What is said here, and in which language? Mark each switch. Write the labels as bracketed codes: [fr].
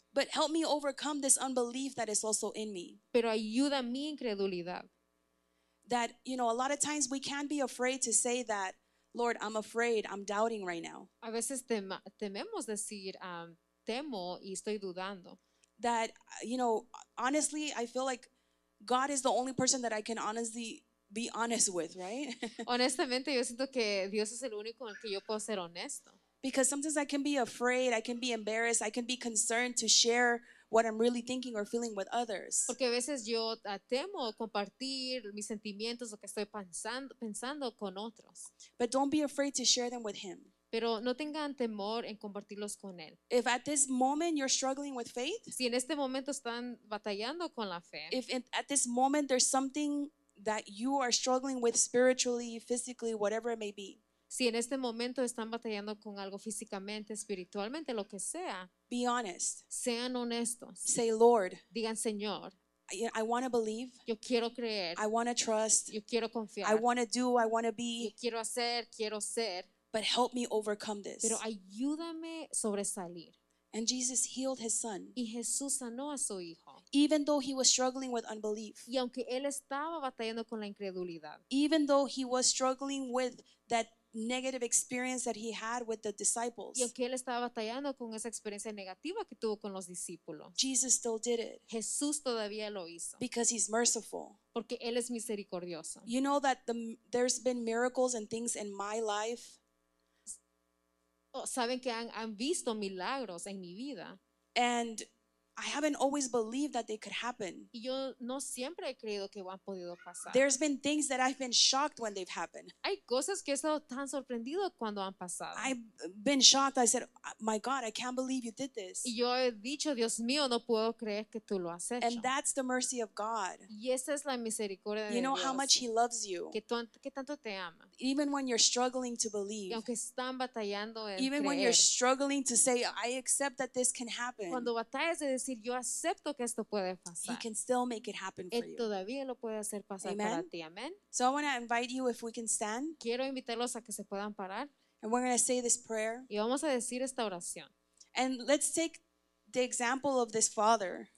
[en] But help me overcome this unbelief that is also in me. [es] Pero ayuda mi incredulidad. [en] That, you know, a lot of times we can be afraid to say that, Lord, I'm afraid, I'm doubting right now. [es] A veces tememos decir, temo y estoy dudando. [en] That, you know, honestly, I feel like God is the only person that I can honestly be honest with, right? [es] Honestamente, yo siento que Dios es el único en el que yo puedo ser honesto. [en] Because sometimes I can be afraid, I can be embarrassed, I can be concerned to share what I'm really thinking or feeling with others. [es] Porque a veces yo temo compartir mis sentimientos, lo que estoy pensando con otros. [en] But don't be afraid to share them with him. [es] Pero no tengan temor en compartirlos con él. [en] If at this moment you're struggling with faith, [es] si en este momento están batallando con la fe, [en] if at this moment there's something that you are struggling with spiritually, physically, whatever it may be, [es] si en este momento están batallando con algo físicamente, espiritualmente, lo que sea, [en] be honest. [es] Sean honestos. [en] Say, Lord. [es] Digan, Señor. [en] I want to believe. [es] Yo quiero creer. [en] I want to trust. [es] Yo quiero confiar. [en] I want to do. I want to be. [es] Yo quiero hacer. Quiero ser. [en] But help me overcome this. [es] Pero ayúdame sobresalir. [en] And Jesus healed his son. [es] Y Jesús sanó a su hijo. [en] Even though he was struggling with unbelief. [es] Y aunque él estaba batallando con la incredulidad. [en] Even though he was struggling with that negative experience that he had with the disciples. [es] Y aunque él estaba batallando con esa experiencia negativa que tuvo con los discípulos. [en] Jesus still did it. [es] Jesús todavía lo hizo. [en] Because he's merciful. [es] Porque él es misericordioso. [en] You know that there's been miracles and things in my life. [es] Oh, saben que han visto milagros en mi vida. [en] And I haven't always believed that they could happen. [es] Y yo no siempre he creído que han podido pasar. [en] There's been things that I've been shocked when they've happened. [es] Hay cosas que he estado tan sorprendido cuando han pasado. [en] I've been shocked. I said, my God, I can't believe you did this. [es] Y yo he dicho, Dios mío, no puedo creer que tú lo has hecho. [en] And that's the mercy of God. [es] Y esa es la misericordia de Dios. [en] You know how much he loves you. [es] Que tanto te ama. [en] Even when you're struggling to believe. [es] Y aunque están batallando en creer. [en] Even when you're struggling to say, I accept that this can happen. [es] Cuando batallas de decir, yo acepto que esto puede pasar. [en] He can still make it happen for [es] él todavía lo puede hacer pasar. [en] Amen. [es] Para ti. Amen. [en] So I want to invite you, if we can stand. [es] Quiero invitarlos a que se puedan parar. [en] And we're going to say this prayer. [es] Y vamos a decir esta oración. [en] And let's take the example of this father.